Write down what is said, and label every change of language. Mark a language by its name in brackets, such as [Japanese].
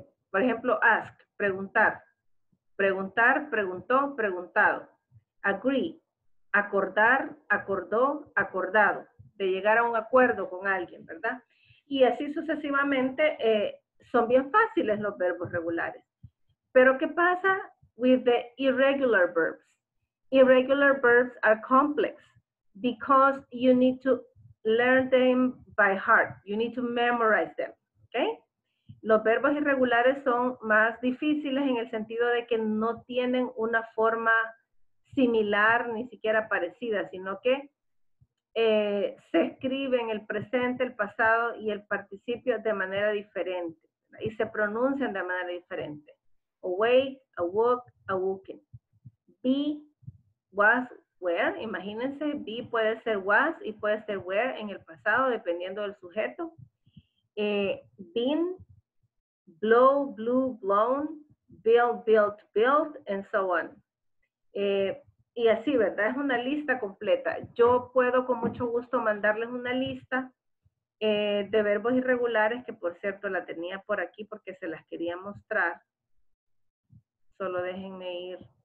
[Spanish] Por ejemplo, ask, preguntar. Preguntar, preguntó, preguntado. Agree, acordar, acordó, acordado. De llegar a un acuerdo con alguien, ¿verdad? Y así sucesivamente son bien fáciles los verbos regulares. Pero ¿qué pasa [English] with the irregular verbs? Irregular verbs are complex because you need to learn them by heart. You need to memorize them, okay? [Spanish] Los verbos irregulares son más difíciles en el sentido de que no tienen una forma similar, ni siquiera parecida, sino que se escriben el presente, el pasado y el participio de manera diferente, ¿verdad? Y se pronuncian de manera diferente. Awake, awoke, awoken. Be, was, were, imagínense, be puede ser was y puede ser were en el pasado, dependiendo del sujeto. [English] Been, blow, blew, blown, build, built, built, and so on. [Spanish] Y así, ¿verdad? Es una lista completa. Yo puedo con mucho gusto mandarles una lista de verbos irregulares, que por cierto la tenía por aquí porque se las quería mostrar. Solo déjenme ir.